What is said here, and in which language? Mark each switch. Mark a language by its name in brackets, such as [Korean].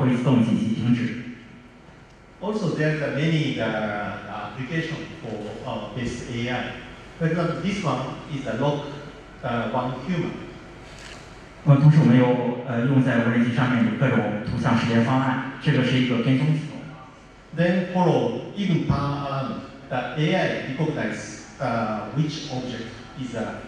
[Chinese] 那么刚才这张展示的是在一个吊车后面安装摄像头，然后用人工智能识别，如果有人接近的话，会自动紧急停止。 Also, [English] there are many application for this AI. For example, this one is a lock one human. [Chinese] 那么同时我们又用在无人机上面有各种图像识别方案，这个是一个跟踪系统。 Then [English] follow even turn around the AI recognize which object is a.